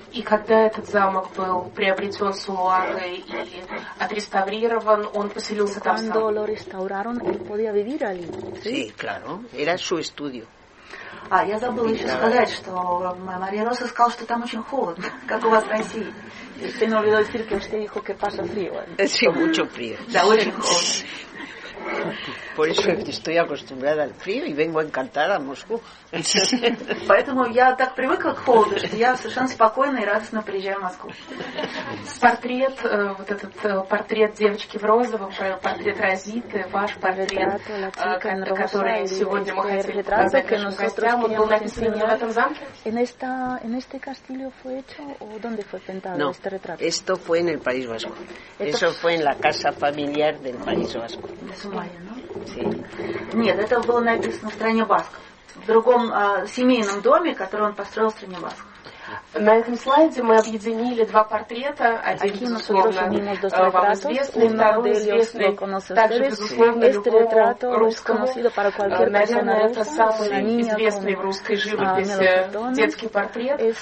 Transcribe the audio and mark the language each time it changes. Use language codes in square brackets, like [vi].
[ru] И когда этот замок был приобретен Сулагой и отреставрирован, он поселился там сам? Когда его реставрировали, он мог жить там? Да, конечно. Это его студия. А, я забыла еще сказать, что Мария Роса сказала, что там очень холодно, как у вас в России. [es] Se me olvidó decir que usted dijo que pasa frío. Sí, mucho frío. [ru] Да, очень холодно. [es] Por eso estoy acostumbrada al frío y vengo encantada a Moscú. [ru] Поэтому я так привыкла к холоду, что я совершенно спокойно и радостно приезжаю в Москву. Портрет, вот этот портрет девочки в розовом, портрет Розиты, ваш портрет, который сегодня мы хотели показать нашим гостям, он был написан в этом замке? [es] En este castillo fue hecho o dónde fue pintado este retrato? Esto fue en el País Vasco. Eso fue en la casa familiar del País Vasco. Sí. [ru] Нет, это было написано в стране Басков, в другом семейном доме, который он построил в стране Басков. На этом слайде мы объединили два портрета. Один, безусловно, вам известный, второй известный. Также, безусловно, любому русскому. Наверное, это самый известный в русской живописи детский портрет.